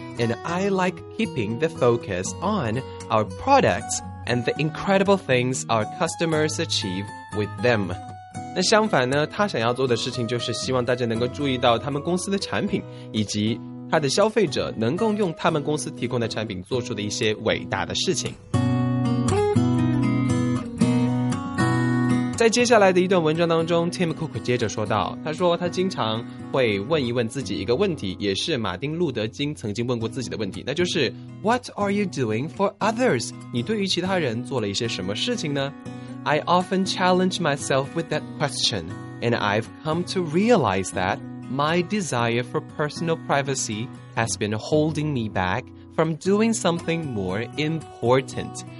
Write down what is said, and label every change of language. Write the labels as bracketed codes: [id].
[en] And I like keeping the focus on our products and the incredible things our customers achieve with them. [zh] 那相反呢，他想要做的事情就是希望大家能够注意到他们公司的产品，以及他的消费者能够用他们公司提供的产品做出的一些伟大的事情。在接下来的一段文章当中， Tim Cook 接着说道，他说他经常会问一问自己一个问题，也是马丁路德金曾经问过自己的问题，那就是 [en] What are you doing for others? [zh] 你对于其他人做了一些什么事情呢？ [en] I often challenge myself with that question, and I've come to realize that my desire for personal privacy has been holding me back from doing something more important.